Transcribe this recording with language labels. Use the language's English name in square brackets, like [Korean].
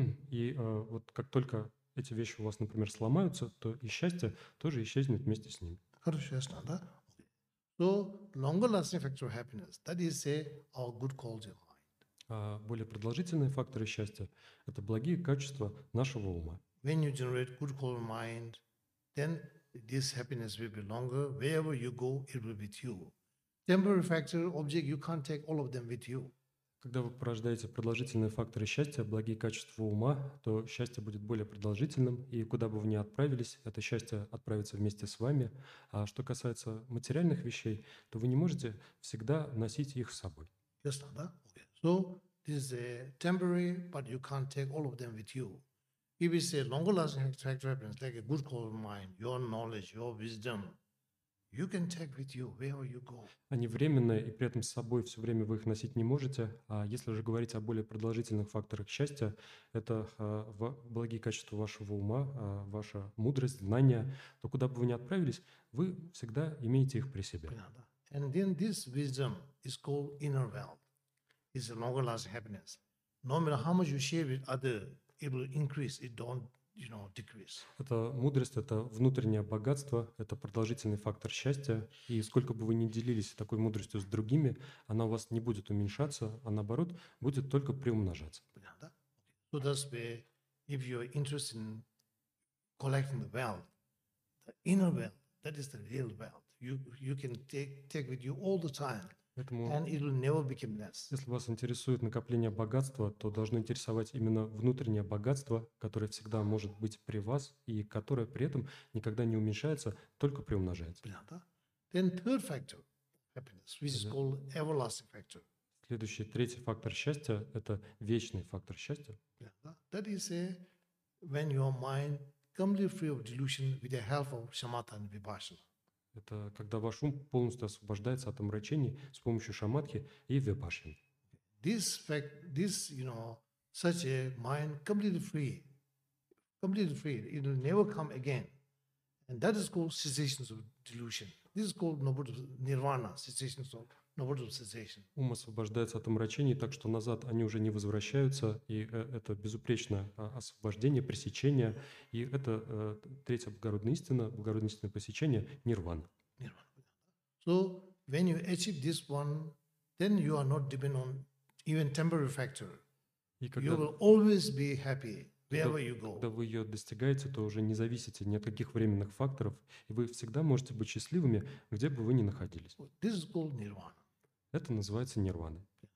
[Russian] И вот как только эти вещи у вас, например, сломаются, то и счастье тоже исчезнет вместе с ними. Хорошо, ясно, да? [English] So, longer-lasting factor of happiness, that is say, our good quality of mind. [Russian] Более продолжительные факторы счастья – это благие качества нашего ума. [English] When you generate good quality of mind, then this happiness will be longer. Wherever you go, it will be with you. Temporary factor, object, you can't take all of them with you. [Russian] Когда вы порождаете продолжительные факторы счастья, благие качества ума, то счастье будет более продолжительным, и куда бы вы ни отправились, это счастье отправится вместе с вами. А что касается материальных вещей, то вы не можете всегда носить их с собой. Ясно, да? [English] Okay. So, this is temporary, but you can't take all of them with you. If you say longer-lasting factor happens, like a good quality of mind, your knowledge, your wisdom, you can take with you wherever you go. [Russian] Они временные, и при этом с собой все время вы их носить не можете. А если же говорить о более продолжительных факторах счастья, это благие качества вашего ума, ваша мудрость, знания, то куда бы вы ни отправились, вы всегда имеете их при себе. [English] And then this wisdom is called inner wealth. It's a longer-lasting happiness. No matter how much you share with others, it will increase, it don't. [Russian] Это мудрость, это внутреннее богатство, это продолжительный фактор счастья. И сколько бы вы ни делились такой мудростью с другими, она у вас не будет уменьшаться, а наоборот, будет только приумножаться. [English] So that's where if you're interested in collecting the wealth, the inner wealth, that is the real wealth. You can take with you all the time. [Russian] Поэтому, [English] and it will never become less. [Russian] Если вас интересует накопление богатства, то должно интересовать именно внутреннее богатство, которое всегда может быть при вас и которое при этом никогда не уменьшается, только приумножается. [English] Then third factor happiness, which is called everlasting factor. [Russian] Следующий, третий фактор счастья – это вечный фактор счастья. [English] That is when your mind completely free of delusion with the help of samatha and vipassana. [Russian] Это когда ваш ум полностью освобождается от омрачений с помощью шамадхи и випашаны. [English] This fact, this, you know, such a mind completely free, it will never come again, and that is called cessation of delusion. This is called nobuddha nirvana, cessation of nobuddha cessation. [Russian] Ум освобождается от омрачений, так что назад они уже не возвращаются, и это безупречное освобождение, пресечение, и это третья благородная истина пресечение нирвана. [English] So when you achieve this one, then you are not dependent on even temporary factor. You will always be happy. [Russian] Когда вы ее достигаете, то уже не зависите ни от каких временных факторов, и вы всегда можете быть счастливыми, где бы вы ни находились. [English] This is called nirvana. [Russian] Это называется нирвана.